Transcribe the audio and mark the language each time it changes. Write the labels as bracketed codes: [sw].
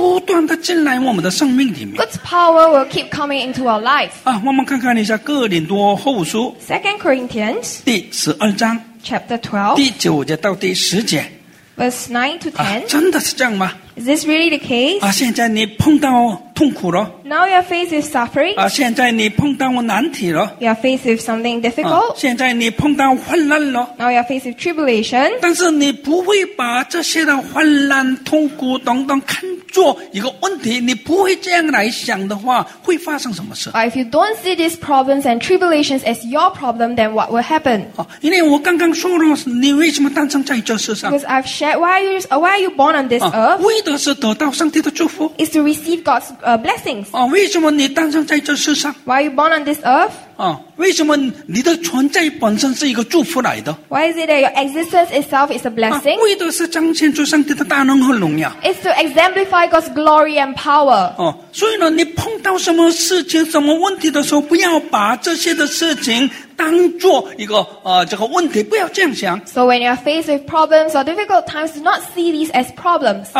[en] God's power will keep coming into our life. [zh] 我们看看一下哥林多后书 [en] 2 Corinthians [zh] 第12章 [en] chapter 12 [zh] 第9节到第10节 [en] verse 9 to 10 [zh] 真的是这样吗? [en] Is this really the case? [zh] 现在你碰到痛苦了? [en] Now your face is suffering? [zh] 现在你碰到难题了? [en] Your face is something difficult? [zh] 现在你碰到患难了? [en] Now your face is tribulation? [zh] 但是你不会把这些的患难、痛苦等等看作一个问题, 你不会这样来想的话, 会发生什么事? [en] If you don't see these problems and tribulations as your problem, then what will happen? [zh] 因为我刚刚说了, 你为什么诞生在这世上? [en] Because I've shared, why are you born on this earth? [zh] 是得到上帝的祝福 [en] is to receive God's blessings [zh] 为什么你诞生在这世上 [en] why are you born on this earth [zh] 为什么你的存在本身是一个祝福来的 [en] why is it that your existence itself is a blessing [zh] 为的是彰显出上帝的大能和荣耀 [en] is to exemplify God's glory and power [zh] 所以呢你碰到什么事情什么问题的时候 不要把这些的事情 当作一个这个问题，不要这样想。 [en] So when you are faced with problems or difficult times, do not see these as problems.